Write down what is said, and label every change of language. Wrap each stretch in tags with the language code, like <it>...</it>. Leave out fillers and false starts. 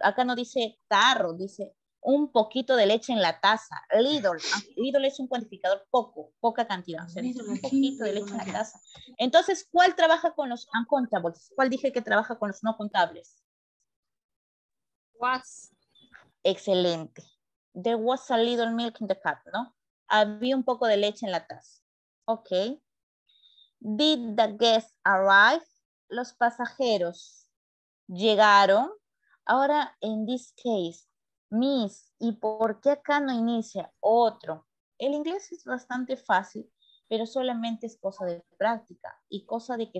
<es>Acá no dice tarro, dice un poquito de leche en la taza. Little. Little es un cuantificador poco, poca cantidad. O sea, un poquito de leche en la taza. Entonces, ¿cuál trabaja con los uncountables? ¿Cuál dije que trabaja con los no contables?</es> <en>Was.</en> <es>Excelente.</es> <en>There was a little milk in the cup, ¿no?</en> <es>Había un poco de leche en la taza.</es> <en>Ok. Did the guests arrive?</en> <es>Los pasajeros llegaron. Ahora,</es> <en>in this case,</en> <es>Miss, ¿y por qué acá no inicia otro? El inglés es bastante fácil, pero solamente es cosa de práctica y cosa de que...</es>